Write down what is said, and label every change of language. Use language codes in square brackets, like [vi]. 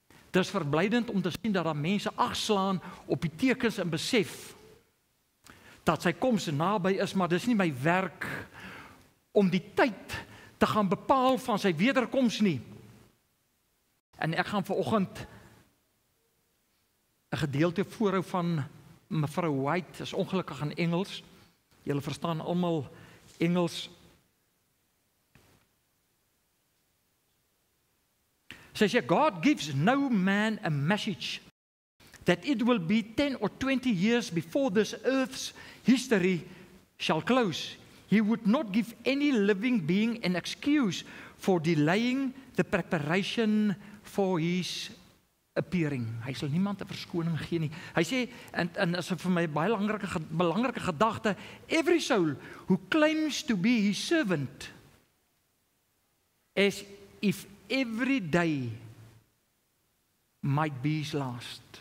[af] Dit is verblydend om te sien, dat daar mense agslaan op die tekens en besef, dat sy koms naby is, maar dit is nie my werk, om die tyd te gaan bepaal van sy wederkoms nie. En ek gaan vanoggend een gedeelte voorhou van mevrou White, is ongelukkig in Engels, julle verstaan allemaal Engels. Sy sê, [en] God gives no man a message that it will be 10 or 20 years before this earth's history shall close. He would not give any living being an excuse for delaying the preparation for his appearing. [af] Hy sal niemand 'n verskoning gee nie. Hy sê, en is vir my baie belangrike gedagte, [en] every soul who claims to be his servant, as if every day might be his last.